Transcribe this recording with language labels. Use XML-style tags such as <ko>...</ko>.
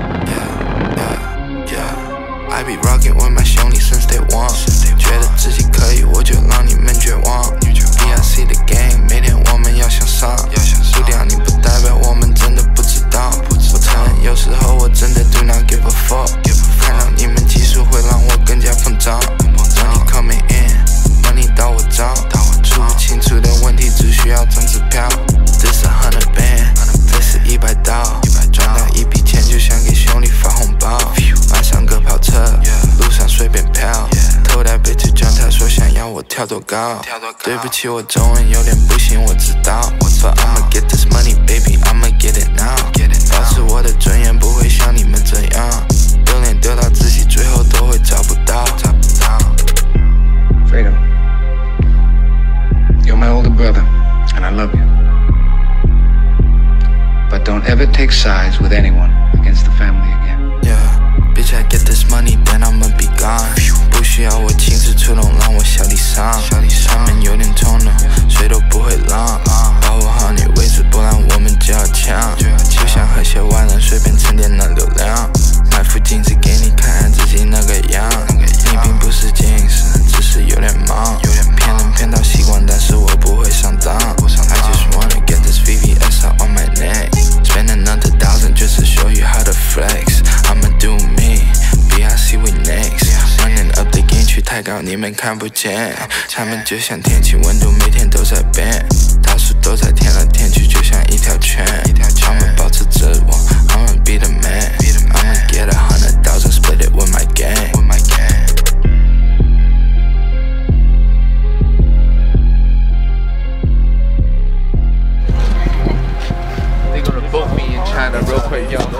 <en>Yeah, yeah, yeah. I be rocking with my shoney since day one.</en> <zh>觉得自己可以，我就让你们绝望。BIC 的 game， 每天我们要向上。输掉你不代表我们真的不知道。我承认有时候我真的</zh> <en>do not give a fuck。</en> <zh>看到你们技术会让我更加膨胀。</zh> <en>Money coming in， money</en> <zh>到我账。出不清楚的问题只需要张支票。</zh> <en>This a hundred band， this</en> <zh>是一百刀。赚到一笔钱就想给兄弟发红包。买上个跑车，路上随便飘。偷带被子叫他说想要我跳多高。对不起，我中文有点不行，我知道。</zh> <en>But I'ma get this money, baby, I'ma get it now。</en> <zh>保持我的尊严，不会像你们这样。丢脸丢到自己最后都会找不到。</zh> <en>Freedom, you're my older brother, and I love you. But don't ever take sides with anyone against the family again. Yeah, bitch, I get this money, then I'ma be gone.</en> <zh>不需要我亲自出动，让我小李上。他们有点冲动，谁都不会让。保护好你位置，不然我们就要抢。就像和些外人随便蹭点那流量。买副镜子给你看看自己那个样，你并不是近视，只是有点盲。有点骗人骗到习惯，但是我不会上当。</zh> <en>I just wanna get this VVS on my neck, spend another thousand just to show you how to flex. I'ma do me, BIC we next. Running up the game</en> <zh>去太高你们看不见，他们就像天气温度每天都在变，大树都在天了天气就像一条圈。他们保持自我，</zh> <en>I'ma be the man。 Get a hundred thousand, split it with my gang. With my gang. They gonna book me in China real quick, yo.</en>